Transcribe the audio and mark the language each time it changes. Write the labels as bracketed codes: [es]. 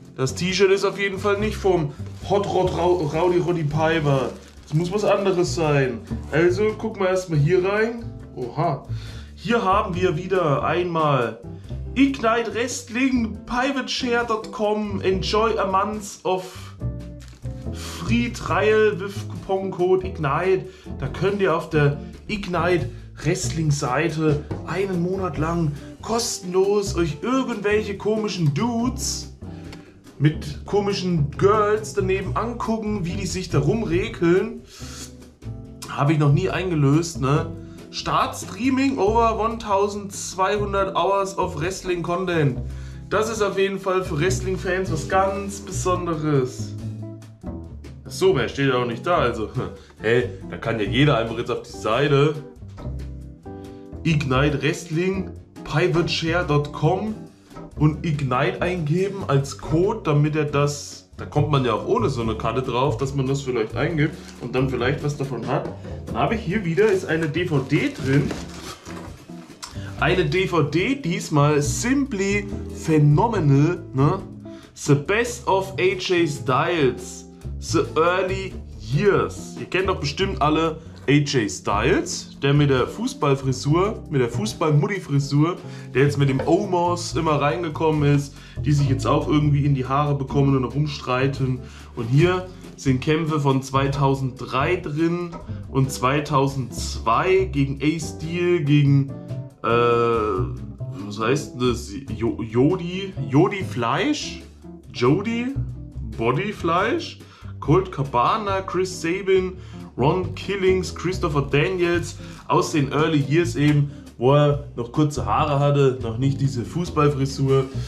[de] Das T-Shirt ist auf jeden Fall nicht vom Hot Rod Rowdy Roddy Piper. Es muss was anderes sein. Also gucken wir erstmal hier rein. Oha. Hier haben wir wieder einmal Ignite Wrestling PivotShare.com. [en] Enjoy a month of free trial with Coupon Code Ignite. [de] Da könnt ihr auf der Ignite Wrestling Seite einen Monat lang kostenlos euch irgendwelche komischen Dudes mit komischen Girls daneben angucken, wie die sich da rumrekeln. [en] Habe ich noch nie eingelöst, ne? Start Streaming over 1200 Hours of Wrestling Content. [de] Das ist auf jeden Fall für Wrestling-Fans was ganz Besonderes. Achso, mehr steht ja auch nicht da, also. Hey, da kann ja jeder einfach jetzt auf die Seite. Ignite Wrestling PivotShare.com und Ignite eingeben als Code, damit er das, da kommt man ja auch ohne so eine Karte drauf, dass man das vielleicht eingibt und dann vielleicht was davon hat. Dann habe ich hier wieder, ist eine DVD drin. Eine DVD diesmal, Simply Phenomenal, ne? The Best of AJ Styles, The Early Years. Ihr kennt doch bestimmt alle AJ Styles, der mit der Fußballfrisur, mit der Fußball-Mutti-Frisur, der jetzt mit dem Omos immer reingekommen ist, die sich jetzt auch irgendwie in die Haare bekommen und rumstreiten. Und hier sind Kämpfe von 2003 drin und 2002 gegen A-Steel, gegen, was heißt das, Jody Bodyfleisch, Colt Cabana, Chris Sabin, Ron Killings, Christopher Daniels aus den Early Years eben, wo er noch kurze Haare hatte, noch nicht diese Fußballfrisur.